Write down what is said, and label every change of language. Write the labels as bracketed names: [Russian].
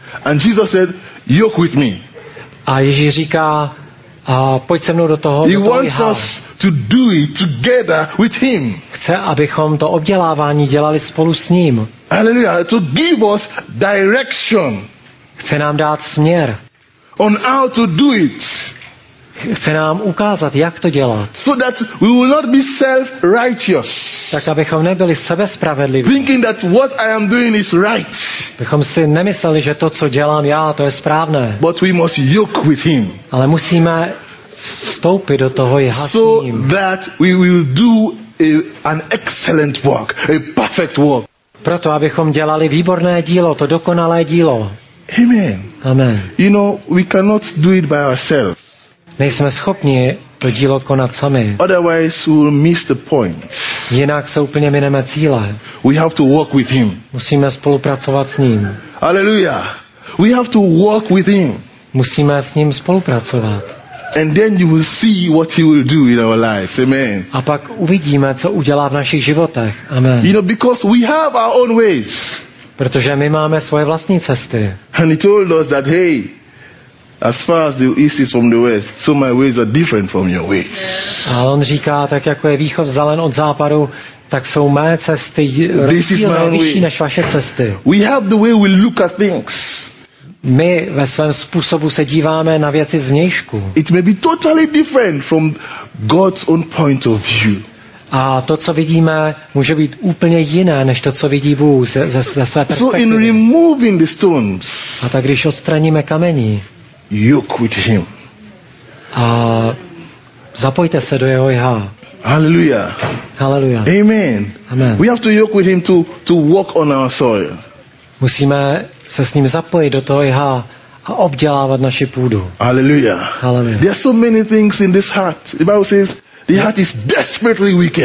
[English] And Jesus said, "Yoke with me." [Czech] A Ježíš říká, pojď se mnou do toho. [English] He wants us to do it together with him. [Czech] Chce, abychom to obdělávání dělali spolu s ním. [English] Hallelujah. To give us direction. [Czech] Chce nám dát směr. [English] On how to do it. [Czech] Chce nám ukázat, jak to dělat. [English] So that we will not be self-righteous. [Czech] Tak abychom nebyli sebespravedliví. [English] Thinking that what I am doing is right. [Czech] Bychom si nemysleli, že to, co dělám já, to je správné. [English] But we must yoke with him. [Czech] Ale musíme vstoupit do toho jeho. [English] So that we will do an excellent work, a perfect work. [Czech] Proto abychom dělali výborné dílo, to dokonalé dílo. Amen. Amen. [English] You know, we cannot do it by ourselves. [Czech] Nejsme schopni to dílo konat sami. [English] Otherwise we'll miss the point. [Czech] Jinak se úplně mineme cíle. [English] We have to work with him. [Czech] Musíme spolupracovat s ním. [English] Hallelujah. We have to work with him. [Czech] Musíme s ním spolupracovat. [English] And then you will see what he will do in our lives. Amen. [Czech] A pak uvidíme, co udělá v našich životech. Amen. [English] You know, because we have our own ways. [Czech] Protože my máme svoje vlastní cesty. [English] And he told us that, hey, as far as the east is from the west, so my ways are different from your ways. [Czech] A on říká, tak jako je východ vzdálen od západu, tak jsou mé cesty rozdílné, vyšší než vaše cesty. [English] We have the way we look at things. [Czech] My ve svém způsobu se díváme na věci zvnějšku. [English] It may be totally different from God's own point of view. [Czech] A to, co vidíme, může být úplně jiné, než to, co vidí Bůh ze své perspektivy. [English] So in removing the stones. [Czech] A tak když odstraníme kamení. [English] Yoke with him. [Czech] A zapojte se do jeho jha. Hallelujah. Hallelujah. Amen. Amen. [English] We have to yoke with him to walk on our soil. [Czech] Musíme se s ním zapojit do toho jha a obdělávat naši půdu. Hallelujah. Hallelujah. [English] There are so many things in this heart. The Bible says the heart is desperately wicked.